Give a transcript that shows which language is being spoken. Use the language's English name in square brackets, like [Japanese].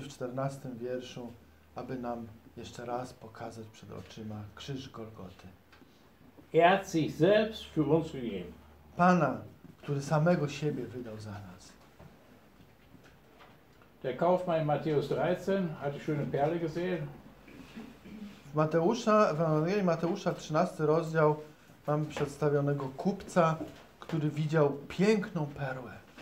[Polish] w 14 wierszu, aby nam jeszcze raz pokazać przed oczyma krzyż Golgoty. [German] Er hat sich selbst für uns gegeben. [Polish] Pana, który samego siebie wydał za nas. [German] Der Kaufmann in Matthäus 13 hat die schöne Perle gesehen. [Polish] W Ewangelii Mateusza 13 rozdział mam przedstawionego kupca, który widział piękną perłę.